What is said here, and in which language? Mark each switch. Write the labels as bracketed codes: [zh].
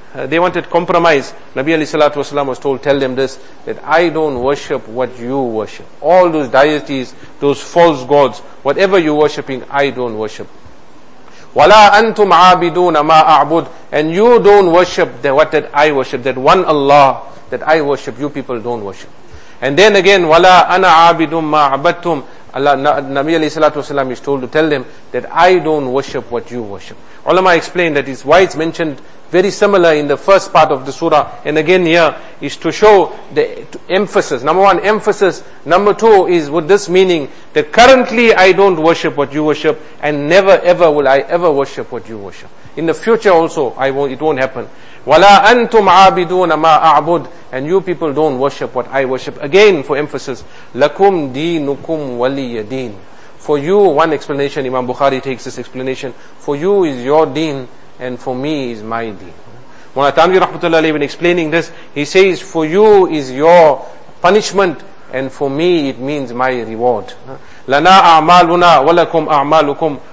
[en] They wanted compromise. Nabi alayhi salatu wasalam was told, tell them this, that I don't worship what you worship. All those deities, those false gods, whatever you're worshipping, I don't worship. [ar] وَلَا أَنْتُمْ عَابِدُونَ مَا أَعْبُدُ. [en] And you don't worship the, what that I worship, that one Allah that I worship, you people don't worship. And then again, [ar] وَلَا أَنَا عَابِدٌ مَا عَبَدْتُمْ. [en] Nabi alayhi salatu wasalam is told to tell them that I don't worship what you worship. Ulama explained that is why it's mentioned very similar in the first part of the surah, and again here is to show the emphasis. Number one, emphasis. Number two is with this meaning that currently I don't worship what you worship, and never ever will I ever worship what you worship. In the future also, it won't happen. [ar] وَلَا أَنْتُمْ عَابِدُونَ مَا أَعْبُدُ. [en] And you people don't worship what I worship. Again, for emphasis, [ar] لَكُمْ دِينُكُمْ وَلِيَ دِينَ. [en] For you, one explanation, Imam Bukhari takes this explanation, for you is your deen, and for me is my deen. Mawlana Thanvi rahmatullahi alayhi, when explaining this, he says, for you is your punishment, and for me it means my reward. [ar] لَنَا أَعْمَالُنَا وَلَكُمْ أَعْمَالُكُمْ.